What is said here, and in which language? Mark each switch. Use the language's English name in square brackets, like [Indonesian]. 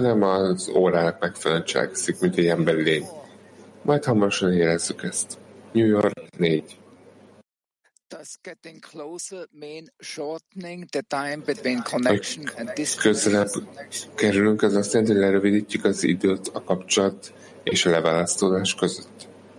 [Hungarian] nem az órának megfelelően cselekszik, mint egy ember lény. Majd hamarosan érezzük ezt. New York 4. [English] Does getting closer mean shortening the time between connection and disconnection? [Hungarian] Közelebb kerülünk, az azt jelenti, hogy lerövidítjük az időt a kapcsolat és a leválasztódás között.